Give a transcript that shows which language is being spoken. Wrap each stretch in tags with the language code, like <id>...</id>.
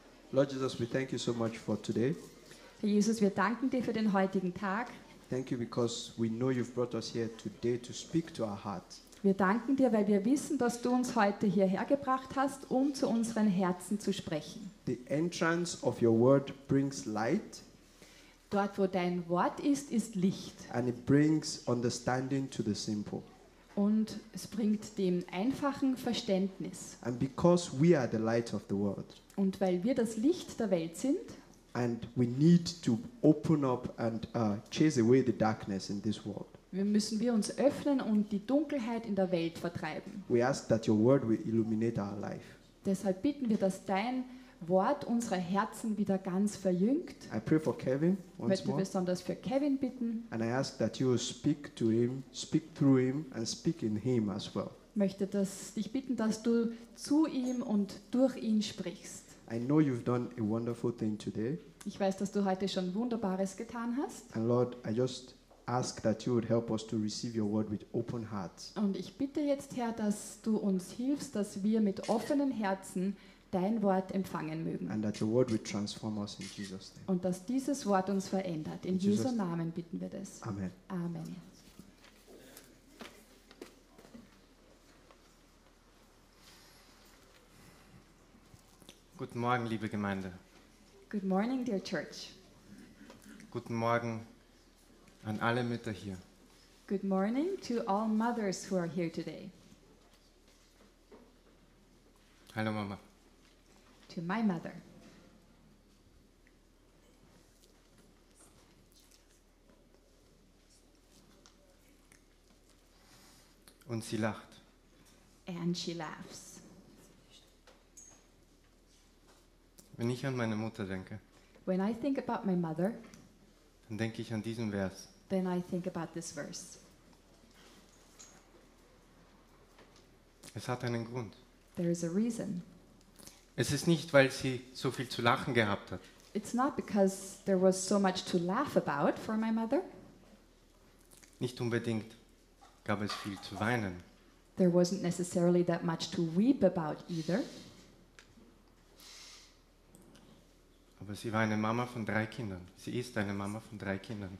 <en>Lord Jesus, we thank you so much for today.</en> <de>Herr Jesus, wir danken dir für den heutigen Tag.</de> <en>Thank you because we know you've brought us here today to speak to our heart.</en> <de>Wir danken dir, weil wir wissen, dass du uns heute hierher gebracht hast, um zu unseren Herzen zu sprechen.</de> <en>The entrance of your word brings light.</en> <de>Dort, wo dein Wort ist, ist Licht.</de> <en>And it brings understanding to the simple.</en> <de>Und es bringt dem einfachen Verständnis.</de> <en>And because we are the light of the world.</en> <de>Und weil wir das Licht der Welt sind.</de> <en>And we need to open up and chase away the darkness in this world.</en> <de>Wir müssen wir uns öffnen und die Dunkelheit in der Welt vertreiben.</de> <en>We ask that your word will illuminate our life.</en> <de>Deshalb bitten wir, dass dein Wort unsere Herzen wieder ganz verjüngt.</de> <en>I pray for Kevin once more.</en> <de>Ich möchte besonders für Kevin bitten.</de> <en>And I ask that you speak to him, speak through him and speak in him as well.</en> <de>Möchte dich bitten, dass du zu ihm und durch ihn sprichst.</de> <en>I know you've done a wonderful thing today.</en> <de>Ich weiß, dass du heute schon Wunderbares getan hast.</de> <en>And Lord, I just ask that you would help us to receive your word with open hearts.</en> <de>Und ich bitte jetzt, Herr, dass du uns hilfst, dass wir mit offenen Herzen dein Wort empfangen mögen.</de> <en>And that your word would transform us in Jesus' name.</en> <de>Und dass dieses Wort uns verändert. In Jesu Namen bitten wir das.</de> <en>Amen.</en> <de>Amen. Guten Morgen, liebe Gemeinde.</de> <en>Good morning, dear church.</en> <de>Guten Morgen an alle Mütter hier.</de> <en>Good morning to all mothers who are here today.</en> <de>Hallo Mama.</de> <en>To my mother.</en> <de>Und sie lacht.</de> <en>And she laughs.</en> <de>Wenn ich an meine Mutter denke,</de> <en>when I think about my mother,</en> <de>dann denke ich an diesen Vers.</de> <en>Then I think about this verse.</en> <de>Es hat einen Grund.</de> <en>There is a reason.</en> <de>Es ist nicht, weil sie so viel zu lachen gehabt hat.</de> <en>It's not because there was so much to laugh about for my mother.</en> <de>Nicht unbedingt gab es viel zu weinen.</de> <en>There wasn't necessarily that much to weep about either.</en> <de>Aber sie war eine Mama von drei Kindern. Sie ist eine Mama von drei Kindern.</de>